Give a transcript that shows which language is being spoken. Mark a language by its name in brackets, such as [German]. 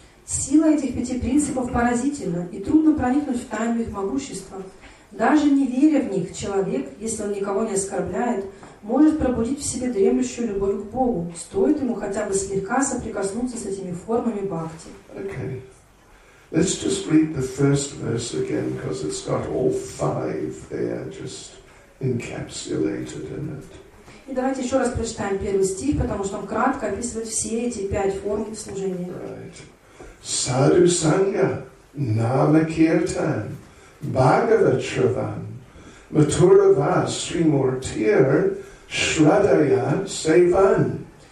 [Russian] Сила этих пяти принципов поразительна, и трудно проникнуть в тайну их могущества. Даже не веря в них, человек, если он никого не оскорбляет, может пробудить в себе дремлющую любовь к Богу, стоит ему хотя бы слегка соприкоснуться с этими формами бхакти. [English] Okay. Let's just read the first verse again, because it's got all five there just encapsulated in it. [Russian] И давайте еще раз прочитаем первый стих, потому что он кратко описывает все эти пять форм служения. [English] Right. [Sanskrit] Sadhu Sangha, Nama Kirtan, Bhagavat Shravan, Mathura Vas, Srimurtir, Shraddhaya Sevan.